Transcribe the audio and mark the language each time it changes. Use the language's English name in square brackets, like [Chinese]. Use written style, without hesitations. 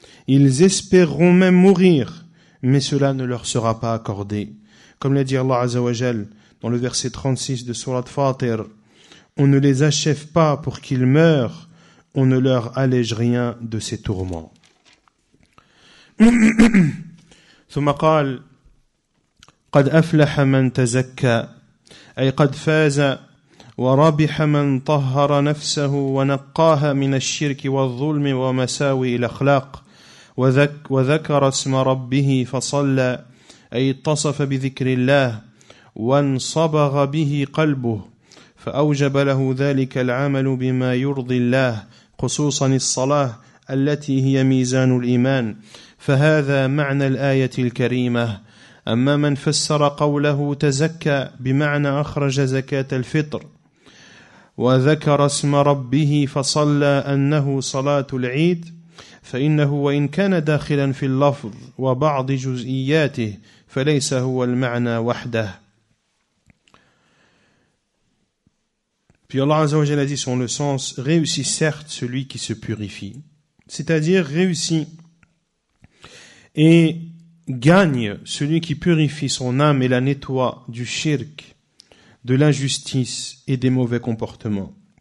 [French] Ils espéreront même mourir, mais cela ne leur sera pas accordé. Comme l'a dit Allah Azzawajal dans le verset 36 de Surat Fatir, on ne les achève pas pour qu'ils meurent, on ne leur allège rien de ses tourments. [Arabic] ثم قال قد أفلح من تزكى أي قد فاز وربح من طهر نفسه ونقاها من الشرك والظلم ومساوئ الأخلاق وذكر اسم ربه فصلى أي اتصف بذكر الله وانصبغ به قلبه فأوجب له ذلك العمل بما يرضي الله خصوصا الصلاة التي هي ميزان الإيمان فهذا معنى الآية الكريمة أما من فسر قوله تزكى بمعنى أخرج زكاة الفطر وذكر اسم ربه فصلى أنه صلاة العيد فإنه وإن كان داخلا في اللفظ وبعض جزئياته فليس هو المعنى وحده. [French] Puis Allah Azza wa Jalla dit son le sens, réussit certes celui qui se purifie, c'est-à-dire réussit et gagne celui qui purifie son âme et la nettoie du shirk, de l'injustice et des mauvais comportements.